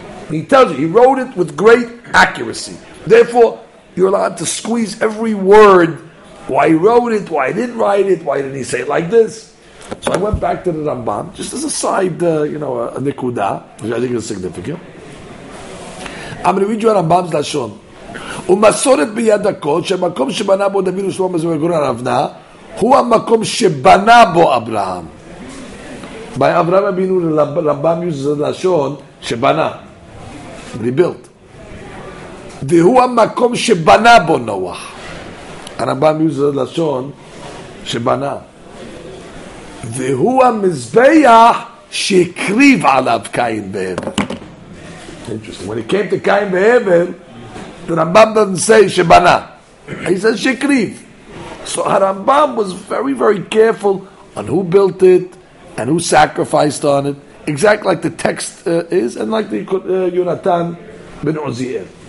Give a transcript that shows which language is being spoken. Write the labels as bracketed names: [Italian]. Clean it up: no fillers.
[English] He tells you, he wrote it with great accuracy. Therefore, you're allowed to squeeze every word, why he wrote it, why he didn't write it, why didn't he say it like this. So I went back to the Rambam, just as a side, a nikudah, which I think is significant. I'm going to read you Rambam's Lashon. [Hebrew] ומסורת בידקות שהמקום שבנה בו דוד ושלום הזה וגורן רבנה הוא המקום שבנה בו אברהם. [English] By אברהם אבינו, רמב"ם uses the lashon שבנה, rebuilt. [Hebrew] והוא המקום שבנה בו נוח. הרמב"ם [English] uses the lashon [Hebrew] שבנה. והוא המזבח שהקריב עליו קין והבל. [English] Interesting. When it came to קין והבל, the Rambam doesn't say Shebana. He says Shekriv. So Harambam was very, very careful on who built it and who sacrificed on it. Exactly like the text is and like the Yonatan ben Uziel.